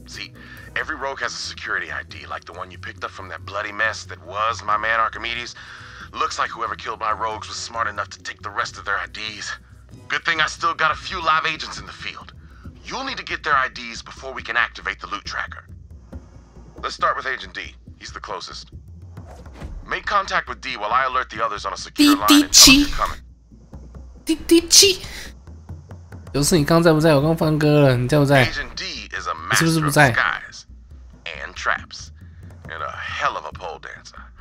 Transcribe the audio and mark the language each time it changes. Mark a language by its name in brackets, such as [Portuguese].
[English] See, every rogue has a security ID, like the one you picked up from that bloody mess that was my man Archimedes. Looks like whoever killed my rogues was smart enough to take the rest of their IDs. Good thing I still got a few live agents in the field. You'll need to get their IDs before we can activate the loot tracker. Let's start with Agent D. He's the closest. Make contact with D while I alert the others on a secure line and tell them you're coming. D-D-G! [Chinese] 有事你刚在不在？我刚放歌了，你在不在？ [English] Agent D is a master of disguise and traps and a hell of a pole dancer.